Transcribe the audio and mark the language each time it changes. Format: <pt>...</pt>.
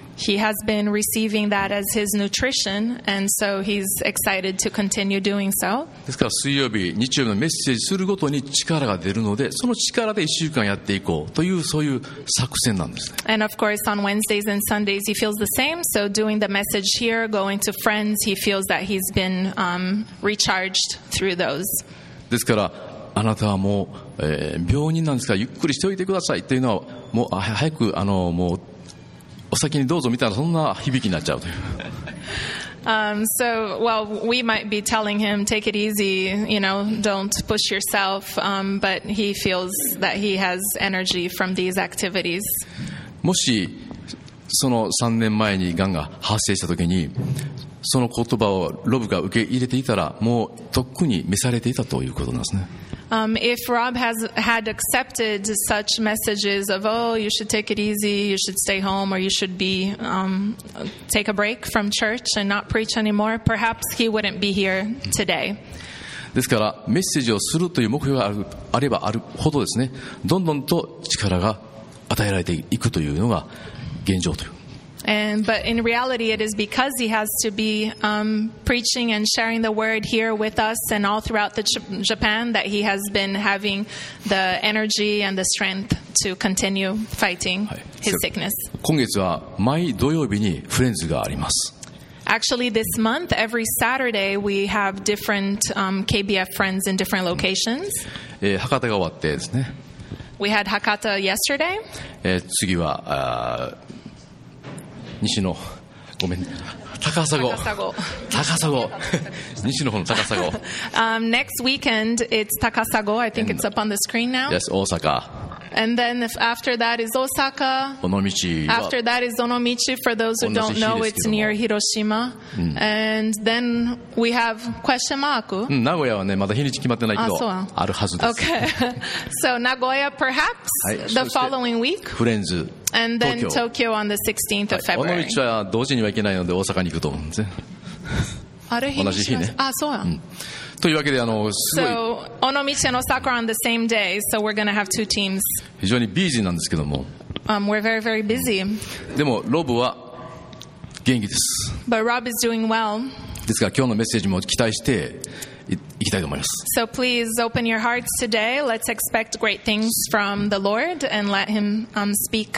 <en>He has been receiving that as his nutrition, and so he's excited to continue doing so.</en> <ja>ですから水曜日、日曜日のメッセージするごとに力が出るので、その力で1週間やっていこうというそういう作戦なんですね。</ja> <en>And of course, on Wednesdays and Sundays, he feels the same. So doing the message here, going to friends, he feels that he's been recharged through those.</en> <ja>ですから、あなたはもう、病人なんですから、ゆっくりしておいてくださいというのは、もう早くもう。お先にどうぞみたいなそんな響きになっちゃうという。</ja> <en>So, well, we might be telling him, take it easy, you know, don't push yourself, but he feels that he has energy from these activities.</en> <ja>もしその3年前にがんが発生したときに、その言葉をロブが受け入れていたら、もうとっくに召されていたということなんですね。</ja> <en>If Rob has had accepted such messages of, oh, you should take it easy, you should stay home, or you should be, take a break from church and not preach anymore, perhaps he wouldn't be here today.</en> <ja>ですから、メッセージをするという目標があるあればあるほどですね、どんどんと力が与えられていくというのが現状という。</ja> <en>And, but in reality, it is because he has to be preaching and sharing the word here with us and all throughout the Japan that he has been having the energy and the strength to continue fighting his sickness.</en> <ja>今月は毎土曜日にフレンズがあります。</ja> <en>Actually, this month, every Saturday, we have different KBF friends in different locations.</en> <ja>博多が終わってですね。</ja> <en>We had Hakata yesterday.</en> <ja>次は西のごめん高砂。西の方の高砂。</ja> <en>next weekend it's Takasago. I think it's up on the screen now. Yes, Osaka. And then after that is Osaka. Onomichi. After that is Onomichi. For those who don't know, it's near Hiroshima. And then we have question mark.</en> <ja>名古屋はねまだ日にち決まってないけどあるはずです。</ja> <en>Okay. So Nagoya perhaps the following week.</en> <ja>フレンズ。</ja> <en>And then Tokyo on the 16th of February.</en> <ja>尾道は同時には行けないので大阪に行くと思うんですね。同じ日ね。あ、そう。うん。というわけで、すごい。</ja> <en>So, 尾道and Osaka on the same day, so we're gonna have two teams.</en> <ja>非常にビジーなんですけども。</ja> <en>We're very, very busy.</en> <ja>でも、ロブは元気です。</ja> <en>But Rob is doing well.</en> <ja>ですから、今日のメッセージも期待して、行きたいと思います。</ja> <en>So please open your hearts today. Let's expect great things from the Lord and let him speak.</en>